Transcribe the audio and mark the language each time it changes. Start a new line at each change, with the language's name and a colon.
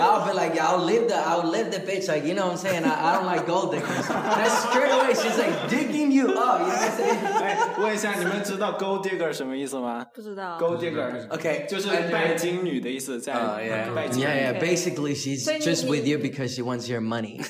English: I'll be like, yeah, I'll leave the bitch. Like, you know what I'm saying? I don't like gold diggers. That's straight away. She's like digging you up. You know what I'm saying?
Chinese: 问一下，你们知道 gold digger 什么意思吗？不知道。
English: Gold digger. Okay.
Chinese: 就是拜金女的意思，在拜金。
English: Yeah. Basically, she's just with you because she wants your money.